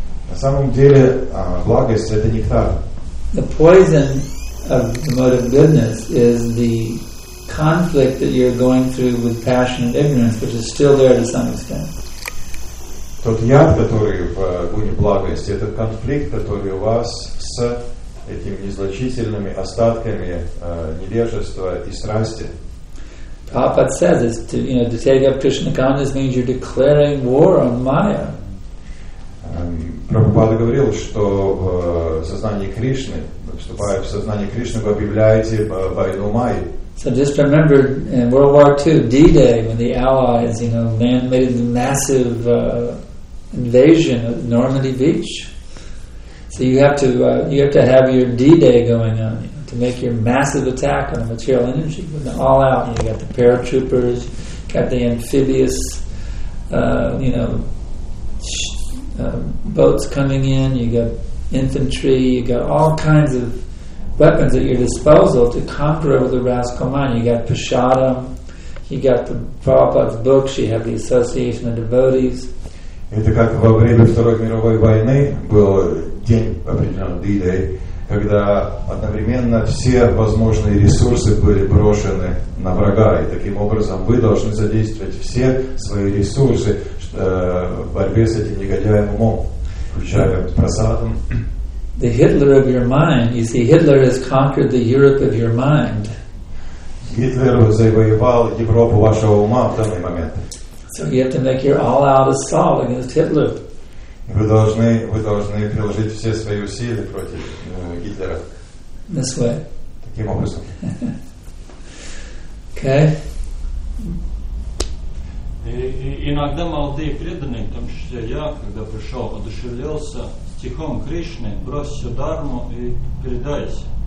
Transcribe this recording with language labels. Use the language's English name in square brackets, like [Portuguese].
[Russian] На самом деле, благость — это нектар. [English] The poison of the mode of goodness is the conflict that you're going through with passion and ignorance, which is still there to some extent. [Russian] Тот яд, который в гуне благости, этот конфликт, который у вас с этими незначительными остатками невежества и страсти. [English] Prabhupada says it's to, you know, to take up Krishna consciousness means you're declaring war on Maya. [Russian] Prabhupada говорил, что в сознании Кришны, вступая в сознание Кришны, вы объявляете войну Майи. [English] So just remember in World War II, D-Day, when the Allies, you know, made a massive invasion of Normandy Beach. So you have to have your D-Day going on. To make your massive attack on the material energy, when all out, you got the paratroopers, you got the amphibious, boats coming in, you got infantry, you got all kinds of weapons at your disposal to conquer over the rascal mind. You got Prashadam, you got the Prabhupada's books, you have the Association of Devotees. [Russian] Это как во время Второй мировой войны был день определенный D-Day. Когда одновременно все возможные ресурсы были брошены на врага, и таким образом вы должны задействовать все свои ресурсы в борьбе с этим негодяем умом, включая просадом. [English] The Hitler of your mind, you see, Hitler has conquered the Europe of your mind. [Russian] Гитлер завоевал Европу вашего ума в данный момент. [English] So you have to make your all-out assault against Hitler. [Russian] Вы должны приложить все свои усилия против Гитлера. [English] This way. [Russian] Таким образом. [English] Okay. [Russian] Иногда молодые преданные, в том числе я, когда пришел, одушевлялся стихом Кришны, брось всю дарму и предайся.